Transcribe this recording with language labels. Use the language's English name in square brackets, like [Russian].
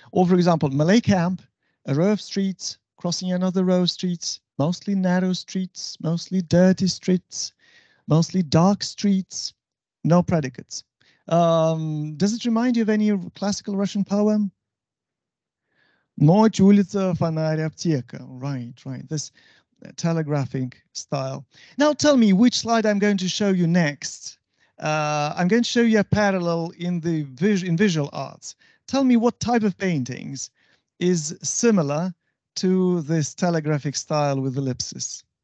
[English] Or for example, Malay camp, a row of streets, crossing another row of streets, mostly narrow streets, mostly dirty streets, mostly dark streets, no predicates. Does it remind you of any classical Russian poem? [Russian] Ночь, улица, фонарь, аптека. [English] Right. This telegraphing style. Now tell me which slide I'm going to show you next. I'm going to show you a parallel in visual arts. Tell me what type of paintings is similar to this telegraphic style with ellipsis.